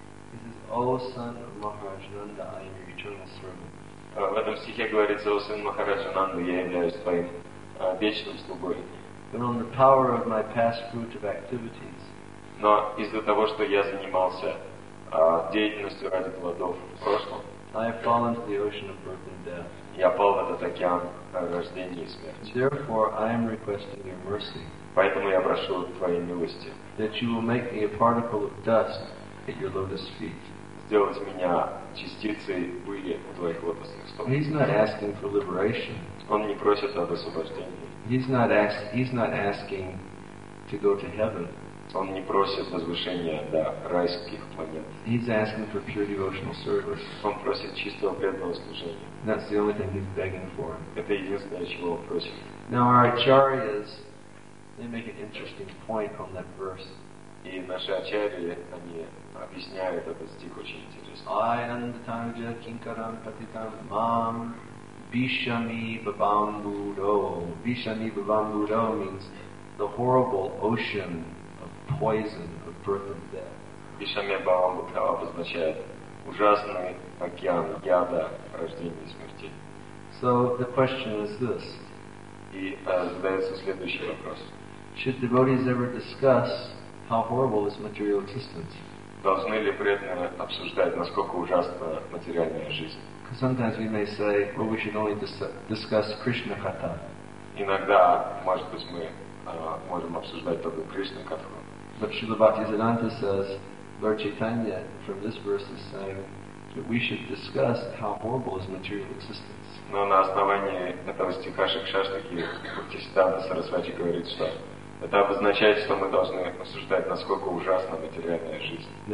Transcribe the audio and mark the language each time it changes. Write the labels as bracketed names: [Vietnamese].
[English] He says, O son of Maharajananda, I am your eternal servant. [Russian] В этом стихе говорится, о сын Махараджананда, я являюсь твоим вечным слугой. [English] But on the power of my past fruitive activities. [Russian] Но из-за того, что я занимался деятельностью ради плодов в прошлом, [English] I have fallen to the ocean of birth and death. [Russian] Я пал в этот океан рождения и смерти. [English] Therefore, I am requesting your mercy. [Russian] Поэтому я прошу твоей милости. [English] That you will make me a particle of dust at your lotus feet. [Russian] Сделать меня частицей пыли у твоих лотосных стоп. [English] He's not asking for liberation. [Russian] Он не просит об освобождении. [English] He's not asking to go to heaven. [Russian] Он не просит возвышения до райских планет. [English] He's asking for pure devotional service. [Russian] Он просит чистого преданного служения. [English] That's the only thing he's begging for. [Russian] Это единственное, чего он просит. [English] Now our acharyas, they make an interesting point on that verse. [Russian] И наши ачарьи, они объясняют этот стих очень интересно. [Sanskrit] I am the Tanja Kinkaram Patitam Mam Bishami Babambudo. [English] Bishami Babambudo means the horrible ocean of poison, of birth and death. [Russian] Bishami Babambudo обозначает ужасный океан яда, рождения и смерти. [English] So the question is this. [Russian] И задается следующий вопрос. [English] Should devotees ever discuss how horrible is material existence? [Russian] Должны ли преданные обсуждать, насколько ужасна материальная жизнь? [English] Because sometimes we may say, well, we should only discuss Krishna Katha. [Russian] Иногда, может быть, мы можем обсуждать только Кришна Катху. [English] But Śrīla Bhaktisiddhānta says, Lord Chaitanya, from this verse, is saying that we should discuss how horrible is material existence. [Russian] Но на основании этого стиха Шакшаштаки Бхактисиддханта Сарасвати говорит, что это обозначает, что мы должны обсуждать, насколько ужасна материальная жизнь.